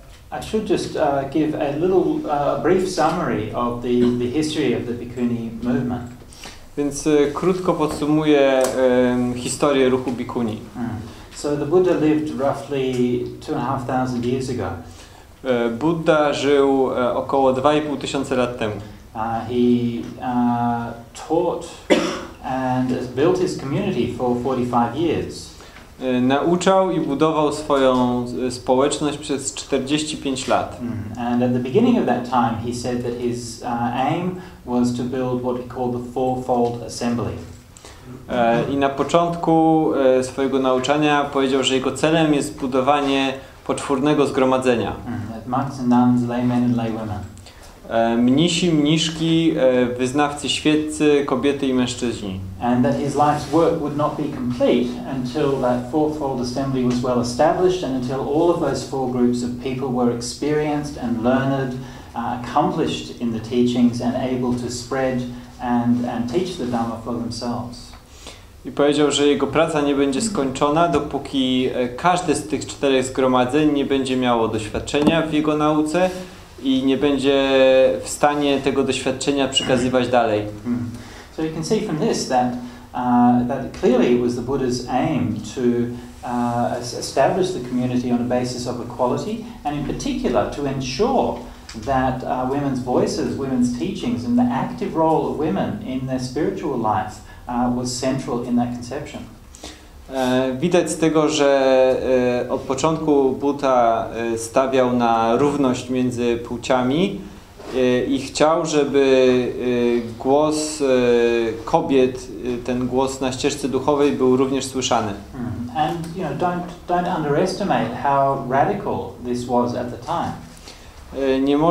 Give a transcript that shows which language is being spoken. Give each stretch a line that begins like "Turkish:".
English: I should just give a little brief summary of the history of the bhikkhuni movement.
Polish: Więc krótko podsumuję historię ruchu bhikkhuni.
English: So the Buddha lived roughly 2,500 years ago.
Polish: Buddha żył około 2,500 lat temu.
English: He taught and built his community for 45 years.
Polish: Nauczał i budował swoją społeczność przez 45 lat.
English: And at the beginning of that time he said that his aim was to build what he called the fourfold assembly.
Polish: I na początku swojego nauczania powiedział, że jego celem jest budowanie poczwórnego zgromadzenia.
English: Monks and nuns, laymen and laywomen.
Polish: Mnisi, mniszki, wyznawcy, świeccy, kobiety i mężczyźni.
English: And that his life's work would not be complete until that fourfold assembly was well established and until all of those four groups of people were experienced and learned, accomplished in the teachings and able to spread and teach the Dhamma for themselves.
Polish: I powiedział, że jego praca nie będzie skończona, dopóki każde z tych czterech zgromadzeń nie będzie miało doświadczenia w jego nauce i nie będzie w stanie tego doświadczenia przekazywać dalej.
English: So you can see from this that that clearly it was the Buddha's aim to establish the community on a basis of equality and in particular to ensure that women's voices, women's teachings and the active role of women in their spiritual life was central in that conception.
Polish: Widać z tego, że od początku Buddha stawiał na równość między płciami i chciał, żeby głos kobiet, ten głos na ścieżce duchowej był również słyszany.
English: And you know, don't underestimate how radical this was at the time.